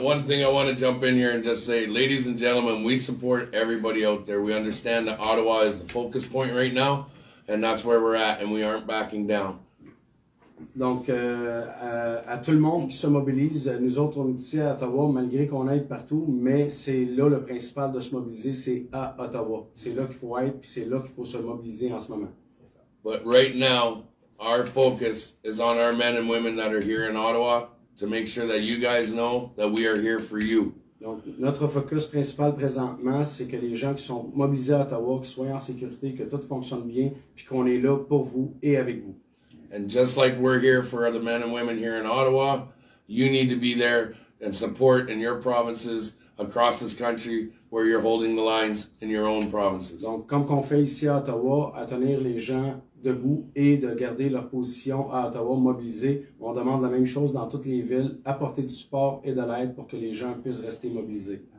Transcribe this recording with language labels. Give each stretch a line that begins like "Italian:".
English: One thing I want to jump in here and just say, ladies and gentlemen, we support everybody out there. We understand that Ottawa is the focus point right now, and that's where we're at, and we aren't backing down.
French: Donc, à tout le monde qui se mobilise, nous autres, on est ici à Ottawa, malgré qu'on aide partout, mais c'est là le principal de se mobiliser, c'est à Ottawa. C'est là qu'il faut être, puis c'est là qu'il faut se mobiliser en ce moment.
English: But right now, our focus is on our men and women that are here in Ottawa to make sure that you guys know that we are here for you.
French: Donc, notre focus principal présentement, c'est que les gens qui sont mobilisés à Ottawa, qu'ils soient en sécurité, que tout fonctionne bien, puis qu'on est là pour vous et avec vous.
English: And just like we're here for the men and women here in Ottawa, you need to be there and support in your provinces across this country where you're holding the lines in your own provinces.
French: Donc, comme qu'on fait ici à Ottawa, à tenir les gens debout et de garder leur position à Ottawa mobilisée. On demande la même chose dans toutes les villes, apporter du support et de l'aide pour que les gens puissent rester mobilisés.